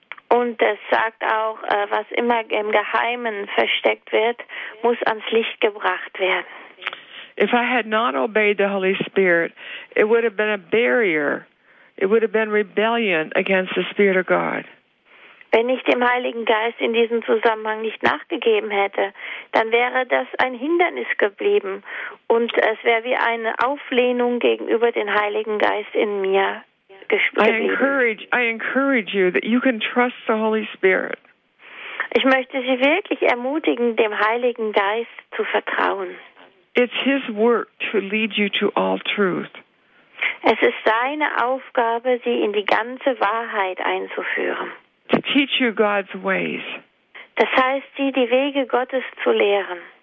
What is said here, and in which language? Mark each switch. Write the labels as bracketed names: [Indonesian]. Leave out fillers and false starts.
[German] Und es sagt auch, was immer im Geheimen versteckt wird, muss ans Licht gebracht werden. [English] If I had not obeyed the Holy Spirit, it would have been a barrier. It would have been rebellion against the Spirit of God. [German] Wenn ich dem Heiligen Geist in diesem Zusammenhang nicht nachgegeben hätte, dann wäre das ein Hindernis geblieben und es wäre wie eine Auflehnung gegenüber dem Heiligen Geist in mir geblieben. [English] I encourage you that you can trust the Holy Spirit. [German] Ich möchte Sie wirklich ermutigen, dem Heiligen Geist zu vertrauen. [English] It's his work to lead you to all truth. [German] Es ist deine Aufgabe, sie in die ganze Wahrheit einzuführen. [English] To teach you God's ways. [German] Das heißt, sie die Wege Gottes zu lehren.